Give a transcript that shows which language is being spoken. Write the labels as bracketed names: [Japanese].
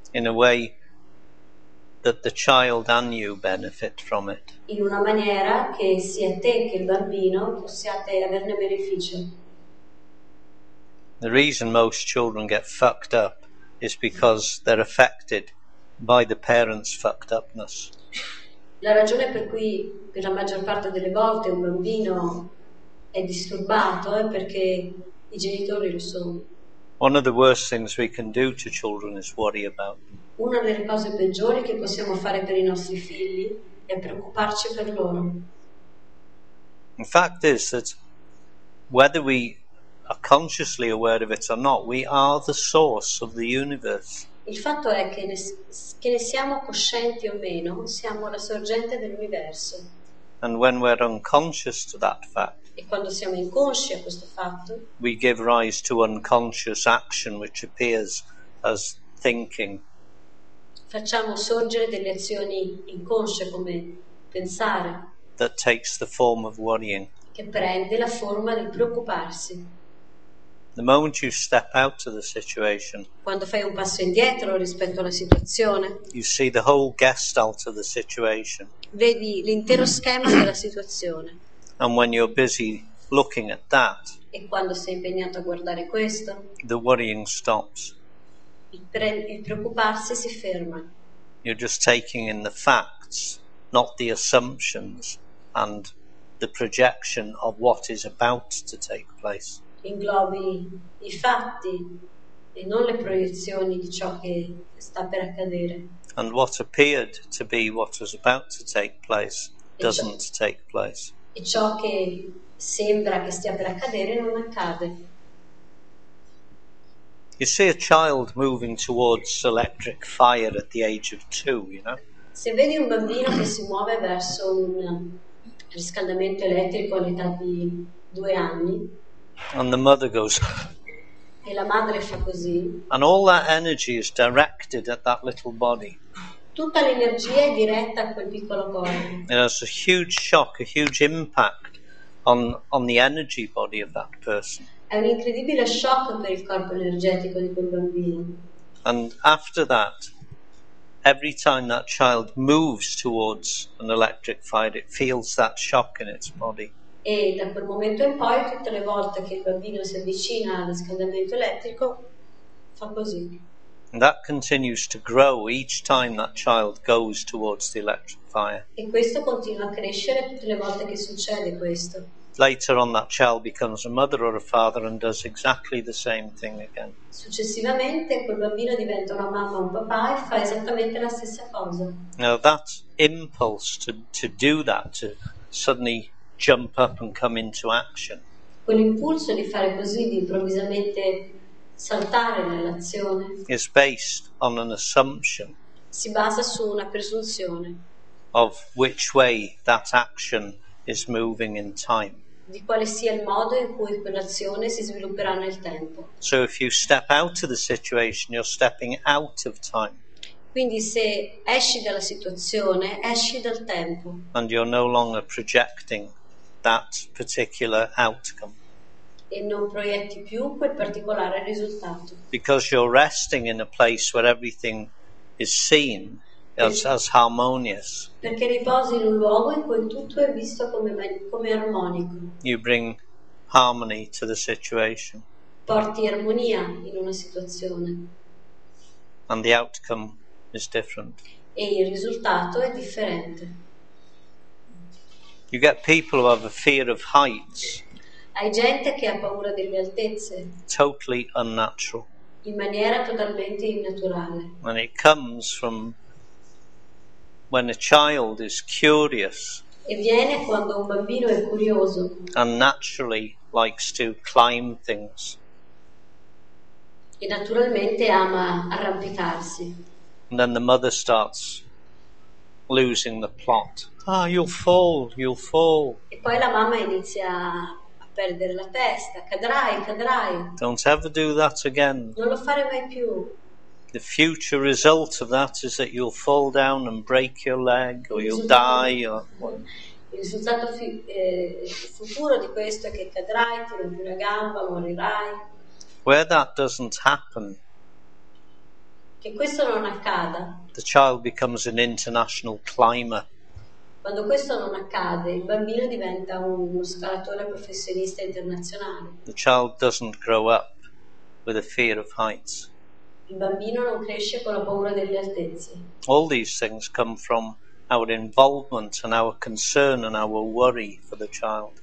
[English] In a way that the child and you benefit from it. [Italian] In una maniera che sia te che il bambino possiate averne beneficio. [English] The reason most children get fucked up is because they're affected by the parents' fucked upness. [Italian] La ragione per cui per la maggior parte delle volte un bambino è disturbato è perché i genitori lo sono. [English] One of the worst things we can do to children is worry about them. [Italian] Una delle cose peggiori che possiamo fare per i nostri figli è preoccuparci per loro. [English] The fact is that whether we are consciously aware of it or not, we are the source of the universe. [Italian] Il fatto è che ne siamo coscienti o meno, siamo la sorgente dell'universo. [English] And when we're unconscious to that fact, [Italian] e quando siamo inconsci a questo fatto, [English] we give rise to unconscious action which appears as thinking. [Italian] Facciamo sorgere delle azioni inconsce come pensare. [English] That takes the form of worrying. [Italian] Che prende la forma del preoccuparsi. [English] The moment you step out of the situation, [Italian] quando fai un passo indietro rispetto alla situazione, [English] you see the whole gestalt of the situation. [Italian] Vedi l'intero schema della situazione. [English] And when you're busy looking at that, [Italian] e quando sei impegnato a guardare questo, [English] the worrying stops. [Italian] Il preoccuparsi si ferma. [English] You're just taking in the facts, not the assumptions and the projection of what is about to take place. [Italian] Inglobi i fatti e non le proiezioni di ciò che sta per accadere. [English] And what appeared to be what was about to take place doesn't take place. [Italian] E ciò che sembra che stia per accadere non accade. [English] You see a child moving towards electric fire at the age of 2, you know? [Italian] Se vedi un bambino che si muove verso un riscaldamento elettrico all'età di 2 anni, [English] And the mother goes. [Italian] E la madre fa così. [English] And all that energy is directed at that little body. [Italian] Tutta l'energia è diretta a quel piccolo corpo. [English] It has a huge shock, a huge impact on the energy body of that person. [Italian] È un incredibile shock per il corpo energetico di quel bambino. [English] And after that, every time that child moves towards an electric fire, it feels that shock in its body. [Italian] E da quel momento in poi, tutte le volte che il bambino si avvicina al riscaldamento elettrico, fa così. [English] And that continues to grow each time that child goes towards the electric fire. [Italian] E questo continua a crescere tutte le volte che succede questo. [English] Later on, that child becomes a mother or a father and does exactly the same thing again. [Italian] Successivamente, quel bambino diventa una mamma o un papà e fa esattamente la stessa cosa. [English] Now that impulse to do that, to suddenly jump up and come into action. [Italian] Quell'impulso di fare così, di improvvisamente saltare nell'azione. [English] Is based on an assumption. [Italian] Si basa su una presunzione. [English] Of which way that action is moving in time. [Italian] Di quale sia il modo in cui quell'azione si svilupperà nel tempo. [English] So if you step out of the situation, you're stepping out of time. [Italian] Quindi se esci dalla situazione, esci dal tempo. [English] And you're no longer projecting that particular outcome. [Italian] E non proietti più quel particolare risultato. [English] Because you're resting in a place where everything is seen. As harmonious. [Italian] Perché riposi in un luogo in cui tutto è visto come armonico. [English] You bring harmony to the situation. [Italian] Porti armonia in una situazione. [English] And the outcome is different. [Italian] E il risultato è differente. [English] You get people who have a fear of heights. [Italian] Hai gente che ha paura delle altezze. [English] Totally unnatural. [Italian] In maniera totalmente innaturale. [English] And it comes from when a child is curious, [Italian] e viene quando un bambino è curioso, [English] and naturally likes to climb things, [Italian] e naturalmente ama arrampicarsi, [English] and then the mother starts losing the plot. Ah, you'll fall. [Italian] E poi la mamma inizia a perdere la testa. Cadrai. [English] Don't ever do that again. [Italian] Non lo fare mai più. [English] The future result of that is that you'll fall down and break your leg, or you'll die, or [Italian] il risultato futuro di questo è che cadrai, ti rompi una gamba, morirai. [English] Where that doesn't happen, [Italian] che questo non accada, [English] the child becomes an international climber. [Italian] Quando questo non accade, il bambino diventa uno scalatore professionista internazionale. [English] The child doesn't grow up with a fear of heights. [Italian] Il bambino non cresce con la paura delle altezze. [English] All these things come from our involvement and our concern and our worry for the child.